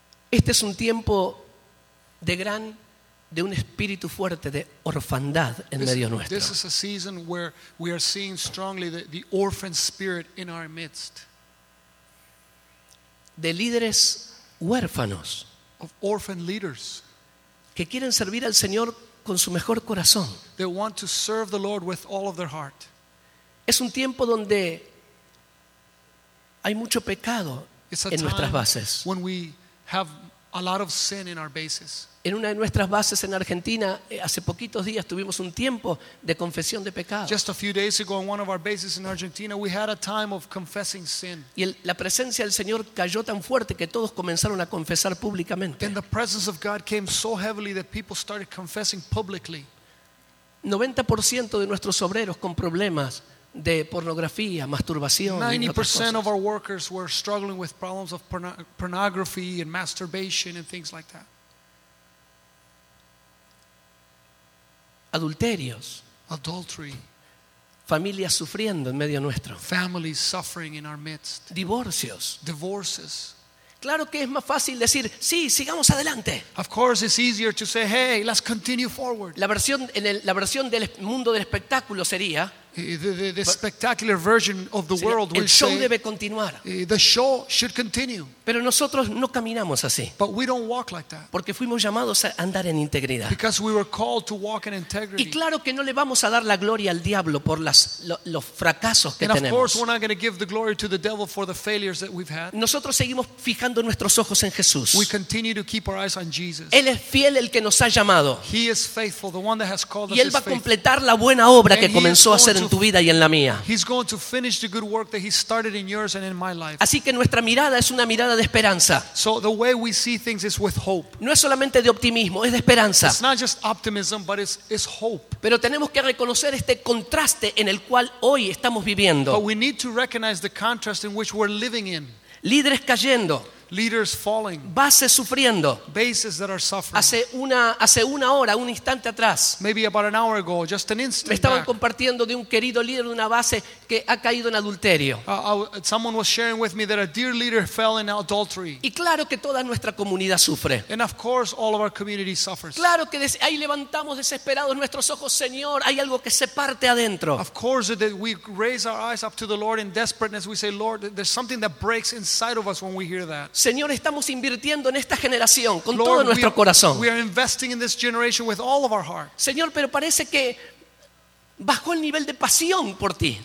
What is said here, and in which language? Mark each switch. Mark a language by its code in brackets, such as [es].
[es] Este es un tiempo de un espíritu fuerte de orfandad en medio nuestro. [en] This is a season where we are seeing strongly the orphan spirit in our midst. [es] De líderes huérfanos. [en] Of orphan leaders. [es] Que quieren servir al Señor con su mejor corazón. [en] They want to serve the Lord with all of their heart. [es] Es un tiempo donde hay mucho pecado en nuestras bases. [en] When we have a lot of sin in our bases. [es] En una de nuestras bases en Argentina, hace poquitos días tuvimos un tiempo de confesión de pecado. [en] Just a few days ago on one of our bases in Argentina, we had a time of confessing sin. [es] Y la presencia del Señor cayó tan fuerte que todos comenzaron a confesar públicamente. [en] And the presence of God came so heavily that people started confessing publicly. [es] 90% de nuestros obreros con problemas de pornografía, masturbación. [en] 90% of our workers were struggling with problems of pornography and masturbation and things like that. [es] Adulterios. [en] Adultery. [es] Familias sufriendo en medio nuestro. [en] Families suffering in our midst. [es] Divorcios. [en] Divorces. [es] Claro que es más fácil decir, sí, sigamos adelante. [en] Of course it's easier to say, hey, let's continue forward. [es] La versión del mundo del espectáculo sería [en] the spectacular version of the world [es] el show debe continuar. [en] The show should continue. [es] Pero nosotros no caminamos así. [en] But we don't walk like that. [es] Porque fuimos llamados a andar en integridad. [en] Because we were called to walk in integrity. [es] Y claro que no le vamos a dar la gloria al diablo por los fracasos que tenemos. [en] of course we're not going to give the glory to the devil for the failures that we've had. [es] Nosotros seguimos fijando nuestros ojos en Jesús. [en] We continue to keep our eyes on Jesus. [es] Él es fiel el que nos ha llamado. [en] He is faithful, the one that has called us. [es] Y él va a completar la buena obra [en] and [es] que comenzó a hacer en tu vida y en la mía. [en] He's going to finish the good work that he started in yours and in my life. [es] Así que nuestra mirada es una mirada de esperanza. [en] So the way we see things is with hope. [es] No es solamente de optimismo, es de esperanza. [en] It's not just optimism, but it's hope. [es] Pero tenemos que reconocer este contraste en el cual hoy estamos viviendo. [en] But we need to recognize the contrast in which we're living in. [es] Líderes cayendo. [en] Leaders falling. [es] Bases sufriendo. [en] Bases that are suffering. [es] Hace una hora, un instante atrás. [en] Maybe about an hour ago, just an instant. [es] Me estaban [en] back. [es] Compartiendo de un querido líder de una base que ha caído en adulterio. [en] Someone was sharing with me that a dear leader fell in adultery. [es] Y claro que toda nuestra comunidad sufre. [en] And of course, all of our community suffers. [es] Claro que ahí levantamos desesperados nuestros ojos, Señor, hay algo que se parte adentro. [en] Of course, that we raise our eyes up to the Lord in desperateness. We say, Lord, there's something that breaks inside of us when we hear that. [es] Señor, estamos invirtiendo en esta generación con [en] Lord, [es] todo nuestro corazón. [en] We are investing in this generation with all of our heart. [es] Señor, pero parece que Bajó el nivel de pasión por ti.